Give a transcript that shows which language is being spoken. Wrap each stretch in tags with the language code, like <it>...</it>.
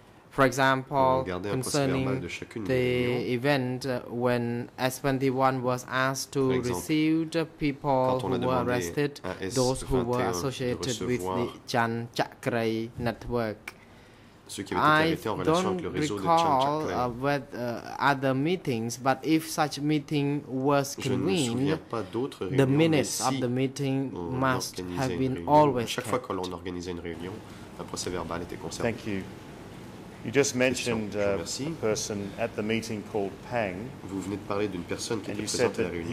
<en>For example, concerning the event when S21 was asked to receive the people who were arrested, those who were associated with the Chan Chakrai network. I don't recall other meetings, but if such meeting was convened, the minutes of the meeting must have been always kept.</en> <fr>Chaque fois que l'on organisait une réunion, un procès-verbal était conservé.</fr> <en>Thank you. You just mentioned a person at the meeting called Pang.</en> <fr>Vous venez de parler d'une personne qui était présente à la réunion.</fr>